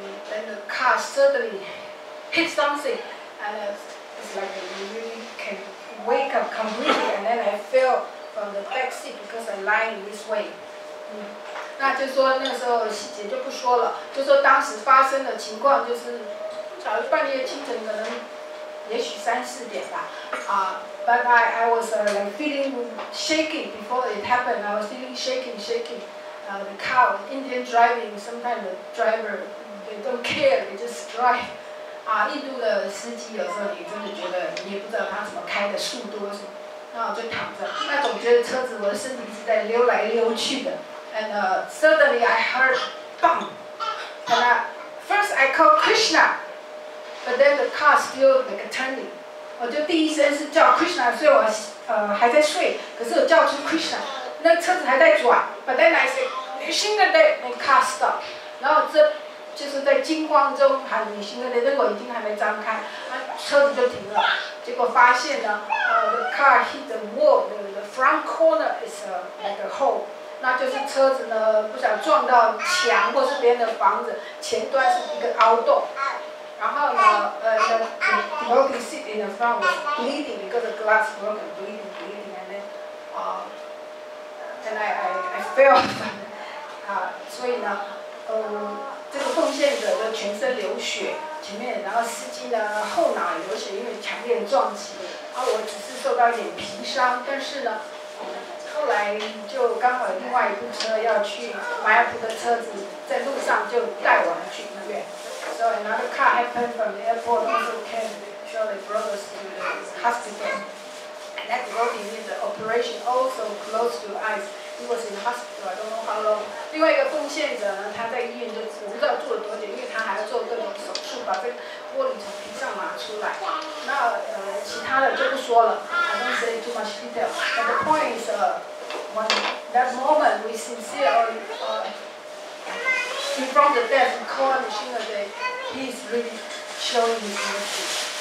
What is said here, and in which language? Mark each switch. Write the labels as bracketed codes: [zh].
[en] Then the car suddenly hit something, and it's like I really can wake up completely, and then I fell from the taxi because I lying this way. [zh] 那就说那时候细节就不说了，就说当时发生的情况就是早半夜清晨，可能也许三四点吧。 [en] But I was like feeling shaking before it happened. I was feeling shaking. The car, Indian driving, sometimes the driver they don't care, they just drive. [zh] 印度的司机有时候你真的觉得你也不知道他怎么开的速度，什么，然后就躺着，那总觉得车子我的身体是在溜来溜去的。 [en] And suddenly I heard bang. And first I called Krishna, but then the car still like turning. [zh] 我就第一声是叫 Krishna， 所以我还在睡，可是我叫出 Krishna， 那车子还在转。 [en] But then I said [zh] Vishnu day， 那 [en] car stop。 [zh] 然后这就是在金光中喊 Vishnu day， 那我已经还没张开，那车子就停了。结果发现呢， [en] the car hit the wall， the front corner is like a hole。 [zh] 那就是车子呢，不想撞到墙或是别人的房子，前端是一个凹洞。然后呢， [en] the broken seat in the front was bleeding because the glass broken, bleeding, and then, I fell. [zh] 所以呢，这个奉献者的全身流血，前面，然后司机呢后脑流血，因为强烈撞击。然后我只是受到一点皮伤，但是呢。后来就刚好另外一部车要去马亚普的车子，在路上就带我们去那边。 [en] So another car happened from the airport also came shortly brought us to the hospital. And that devotee did the operation also close to eyes. He was in hospital, I don't know how long. [zh] 另外一个奉献者呢，他在医院就我不知道住了多久，因为他还要做各种手术，把这个玻璃从皮上拿出来。那其他的就不说了。 [en] I don't say too much detail. But the point is, when that moment we sincere in front of death, we call the Shinga Day, he is really showing his mercy.